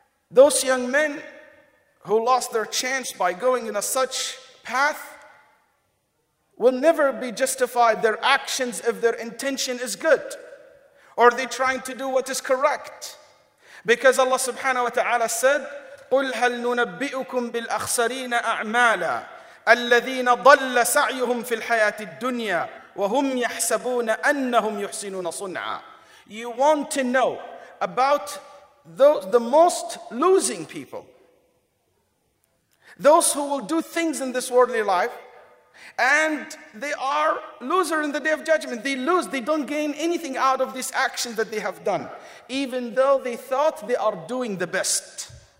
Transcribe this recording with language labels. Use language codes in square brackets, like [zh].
[en] Those young men who lost their chance by going in a such path will never be justified their actions if their intention is good or they're trying to do what is correct. Because Allah subhanahu wa ta'ala said, [ar] قُلْ هَلْ نُنَبِّئُكُمْ بِالْأَخْسَرِينَ أَعْمَالًا الَّذِينَ ضَلَّ سَعْيُهُمْ فِي الْحَيَاةِ الدُّنْيَا وَهُمْ يَحْسَبُونَ أَنَّهُمْ يُحْسِنُونَ صُنْعًا. [en] You want to know about the most losing people. Those who will do things in this worldly life and they are losers in the day of judgment. They lose, they don't gain anything out of this action that they have done, even though they thought they are doing the best.